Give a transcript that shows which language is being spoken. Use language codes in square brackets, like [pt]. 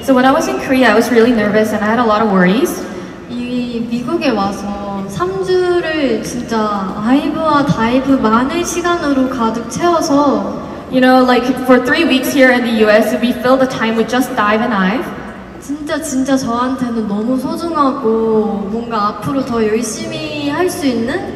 [en] So when I was in Korea, I was really nervous and I had a lot of worries. [ko] 이 미국에 와서 3주를 진짜 아이브와 다이브 많은 시간으로 가득 채워서 [en] You know, like for 3 weeks here in the US, we fill the time with just Dive and IVE. [ko] 진짜 저한테는 너무 소중하고 뭔가 앞으로 더 열심히 할 수 있는